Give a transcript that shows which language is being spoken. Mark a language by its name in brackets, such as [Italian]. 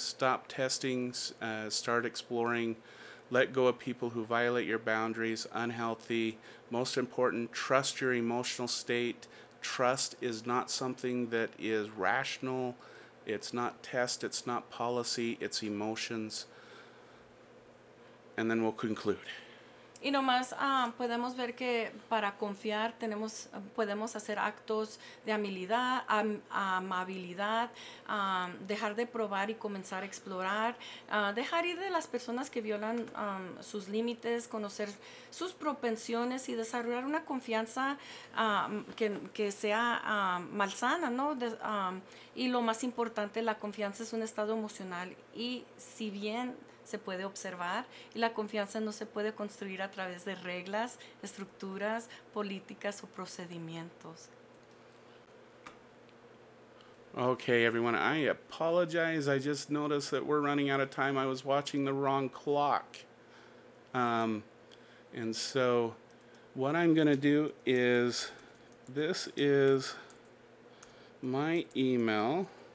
[English] Stop testings. Start exploring. Let go of people who violate your boundaries. Unhealthy. Most important, trust your emotional state. Trust is not something that is rational. It's not test, it's not policy, it's emotions. And then we'll conclude. [Spanish] Y nomás podemos ver que para confiar podemos hacer actos de amabilidad, dejar de probar y comenzar a explorar, dejar ir de las personas que violan sus límites, conocer sus propensiones y desarrollar una confianza que sea malsana, ¿no? Y lo más importante, la confianza es un estado emocional, y si bien se puede observar, y la confianza no se puede construir a través de reglas, estructuras, políticas o procedimientos. [English] Okay, everyone, I apologize. I just noticed that we're running out of time. I was watching the wrong clock. And so what I'm going to do is, this is my email.